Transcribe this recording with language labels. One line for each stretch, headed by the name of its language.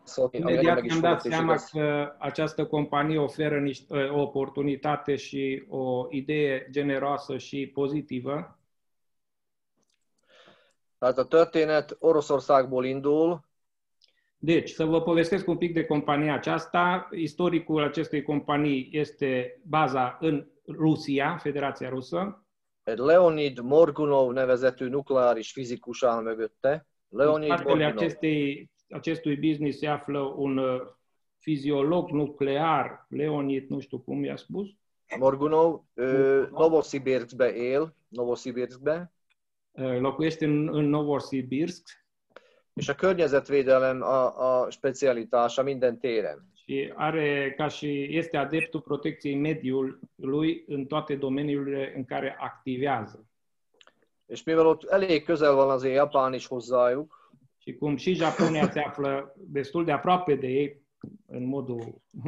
Romanian: imediat am dat seama că această companie oferă niște oportunitate și o idee generoasă și pozitivă.
Hungarian: Tehát a történet Oroszországból indul.
Romanian: Deci, să vă povestesc un pic de compania aceasta. Istoricul acestei companii este baza în Rusia, Federația Rusă.
Hungarian: Egy Leonid Morgunov nevezetű nukleáris fizikus áll mögötte. Leonid Morgunov.
Romanian: Acestui business se află un fiziolog nuclear, Leonid, nu știu cum i-a spus.
Hungarian: Morgunov, Novosibirskbe él, Novosibirskbe.
Romanian: Locuiește în Novosibirsk.
Hungarian: És a környezetvédelem a specialitása minden téren.
Romanian: Și are ca și este adeptul protecției mediului în toate domeniile în care activează.
Hungarian: És mivel ott elég közel van az Japán is hozzájuk.
Romanian: Și cum și Japonia se află destul de aproape de ei, în modul...